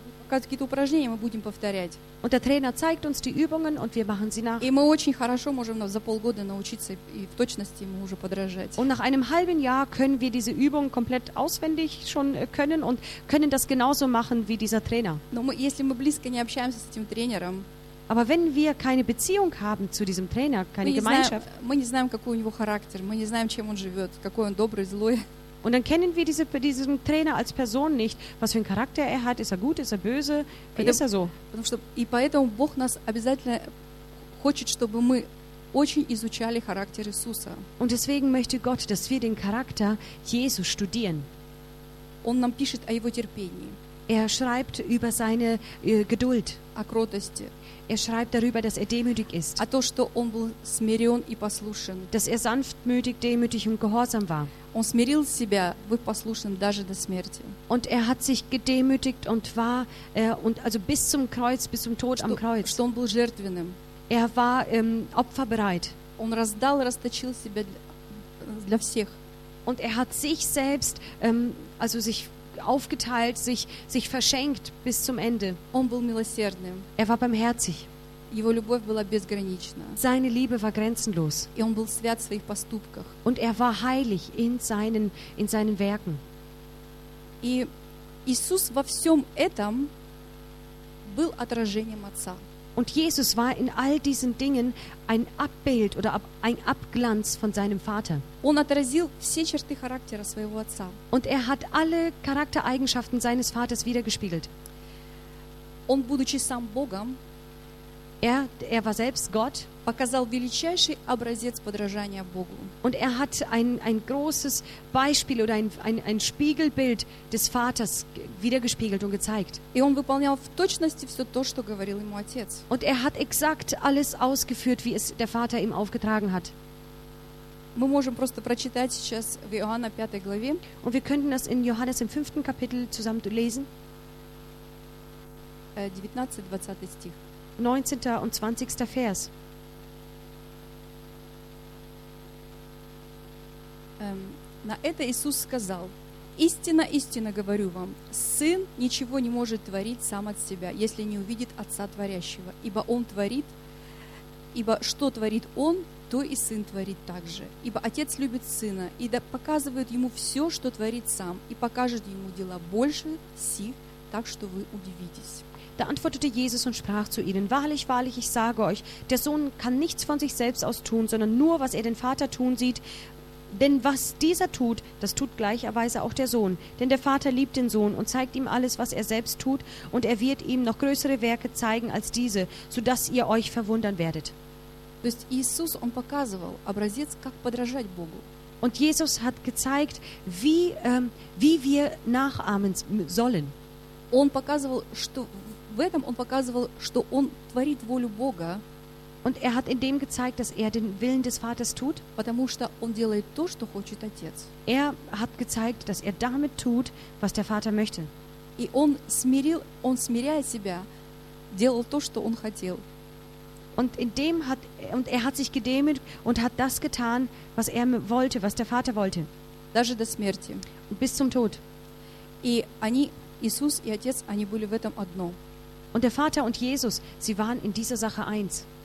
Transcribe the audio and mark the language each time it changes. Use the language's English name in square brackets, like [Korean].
[Russian] Какие-то упражнения мы будем повторять. [German] Und der Trainer zeigt uns die Übungen und wir machen sie nach. [Russian] И мы очень хорошо можем за полгода научиться и в точности ему уже подражать. [German] Und nach einem halben Jahr können wir diese Übung komplett auswendig schon können und können das genauso machen wie dieser Trainer. [Russian] Если мы близко не общаемся с этим тренером. [German] Aber wenn wir keine Beziehung haben zu diesem Trainer, keine Gemeinschaft. [Russian] Мы не знаем, какой у него характер, мы не знаем, чем он живет, какой он добрый, злой. [German] Und dann kennen wir diesen Trainer als Person nicht. Was für einen Charakter er hat, ist er gut, ist er böse, wie ist er so? [Russian] И поэтому Бог нас обязательно хочет, чтобы мы очень изучали характер Иисуса. [German] Und deswegen möchte Gott, dass wir den Charakter Jesu studieren. [Russian] Он нам пишет о его терпении. [German] Er schreibt über seine Geduld. [Russian] О кротости. [German] Er schreibt darüber, dass er demütig ist. [Russian] О том, что он был смирен и послушен. [German] Dass er sanftmütig, demütig und gehorsam war. [Russian] Он смирил себя, быв послушным даже до смерти. [German] Und er hat sich gedemütigt und war und also bis zum Kreuz, bis zum Tod am Kreuz. [Russian] Что он был жертвенным. [German] Er war opferbereit. [Russian] Он раздал, расточил себя для всех. [German] Und er hat sich selbst also sich aufgeteilt, sich verschenkt bis zum Ende. [Russian] Он был милосердным. [German] Er war barmherzig. [Russian] Его любовь была безгранична. [German] Seine Liebe war grenzenlos. [Russian] И он был свят в своих поступках. [German] Und er war heilig in seinen Werken. [Russian] И Иисус во всем этом был отражением Отца. [German] Und Jesus war in all diesen Dingen ein Abbild oder ein Abglanz von seinem Vater. [Russian] Он отразил все черты характера своего отца. [German] Und er hat alle Charaktereigenschaften seines Vaters widergespiegelt. [Russian] Он, будучи сам Богом, [German] Er war selbst Gott. [Russian] Показал величайший образец подражания Богу. [German] Und er hat ein großes Beispiel oder ein Spiegelbild des Vaters wiedergespiegelt und gezeigt. [Russian] И он выполнял в точности все то, что говорил ему отец. [German] Und er hat exakt alles ausgeführt, wie es der Vater ihm aufgetragen hat. [Russian] Мы можем просто прочитать сейчас в Иоанна 5 главе. [German] Und wir könnten das in Johannes im 5. Kapitel zusammen lesen. [Russian] 19-20 стих. [German] 19. und 20. Vers. [Russian] На это Иисус сказал: Истинно, истинно говорю вам, Сын ничего не может творить сам от себя, если не увидит Отца творящего, ибо Он творит, ибо что творит Он, то и Сын творит также. Ибо Отец любит Сына, и да показывает Ему все, что творит Сам, и покажет Ему дела больше сих, так что вы удивитесь. [German] Da antwortete Jesus und sprach zu ihnen: Wahrlich, wahrlich, ich sage euch, der Sohn kann nichts von sich selbst aus tun, sondern nur, was er den Vater tun sieht. Denn was dieser tut, das tut gleicherweise auch der Sohn. Denn der Vater liebt den Sohn und zeigt ihm alles, was er selbst tut, und er wird ihm noch größere Werke zeigen als diese, sodass ihr euch verwundern werdet. [Russian] Jesus, он показывал образец, как подражать Богу. [German] Und Jesus hat gezeigt, wie wir nachahmen sollen. [Russian] Он показывал, что в этом он показывал, что он творит волю Бога. [German] Und er hat in dem gezeigt, dass er den Willen des Vaters tut. [Russian] Потому что он делает то, что хочет отец. [German] Er hat gezeigt, dass er damit tut, was der Vater möchte. [Russian] И он смиряя себя, делал то, что он хотел. [German] Und er hat sich gedemütigt und hat das getan, was er wollte, was der Vater wollte. [Russian] Даже до смерти. [German] Bis zum Tod. [Russian] И они Иисус и отец, они были в этом одно. [German] Und der Vater und Jesus, sie waren in dieser Sache eins.